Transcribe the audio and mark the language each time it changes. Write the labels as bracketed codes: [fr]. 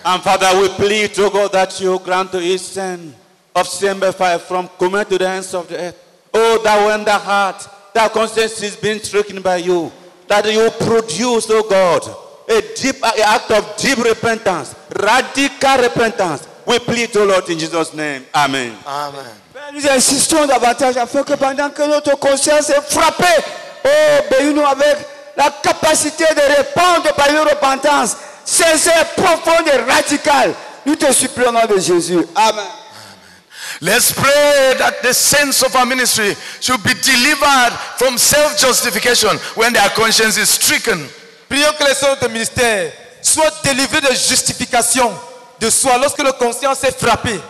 [en] And Father, we plead to God that you grant to each son of CMFI from Kume to the ends of the earth, oh, that when the heart, their conscience is being stricken by you, that you produce, oh God, an act of deep repentance, radical repentance. We plead to Lord in Jesus' name. Amen. Amen. [fr] Nous insistons davantage afin que pendant que notre conscience est frappée, oh, bénis-nous avec la capacité de répondre par une repentance sincère, profonde et radicale. Nous te supplions au nom de Jésus. Amen. [en] Let's pray that the sense of our ministry should be delivered from self-justification when their conscience is stricken. [fr] Prions que le sens de ministère soit délivré de justification de soi lorsque leur conscience est frappée.